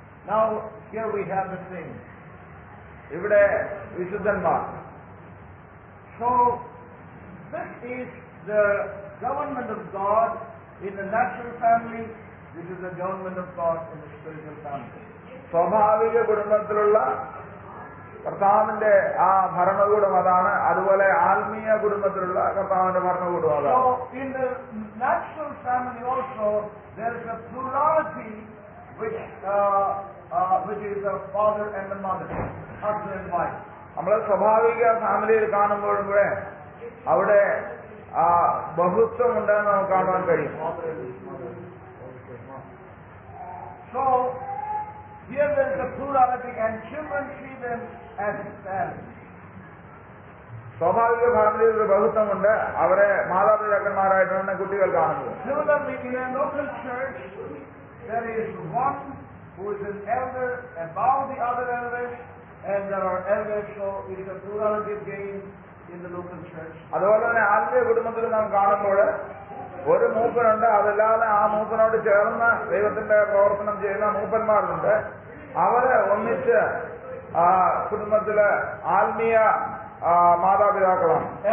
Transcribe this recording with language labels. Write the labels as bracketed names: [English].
[English] Now here we have the same. [Malayalam] ഇവിടെ വിശുദ്ധന്മാർ. [English] So this is the government of God in the natural family. This is the government of God in the spiritual family. [Malayalam] സ്വാഭാവിക കുടുംബത്തിലുള്ള കർത്താവിന്റെ ആ ഭരണകൂടം അതാണ്. അതുപോലെ ആത്മീയ കുടുംബത്തിലുള്ള കർത്താവിന്റെ ഭരണകൂടം അതാണ്. [English] Natural family also there is a plurality which which is the father and the mother, husband and wife. [Malayalam] നമ്മളെ സ്വാഭാവിക ഫാമിലിയിൽ കാണുമ്പോഴും കൂടെ അവിടെ ആ ബഹുത്വം ഉണ്ടെന്ന് നമുക്ക് കാണാൻ കഴിയും. [English] So, here there is a plurality and children see them as parents. [Malayalam] സ്വാഭാവിക ഫാമിലിയിൽ ഒരു ബഹുത്വം ഉണ്ട്, അവരെ മാതാപിതാക്കന്മാരായിട്ടാണ് കുട്ടികൾ കാണുന്നത്. [English] Similarly, in a local church, there is one who is an elder above the other elders. And there are elders, so it is a plurality of gain in the local church. [Malayalam] അതുപോലെ തന്നെ ആത്മീയ കുടുംബത്തിൽ നാം കാണുമ്പോൾ ഒരു മൂപ്പനുണ്ട്, അതല്ലാതെ ആ മൂപ്പനോട് ചേർന്ന് ദൈവത്തിന്റെ പ്രവർത്തനം ചെയ്യുന്ന മൂപ്പന്മാരുണ്ട്, അവരെ ഒന്നിച്ച് ആ കുടുംബത്തിലെ ആത്മീയ മാതാപിതാക്കളാണ്.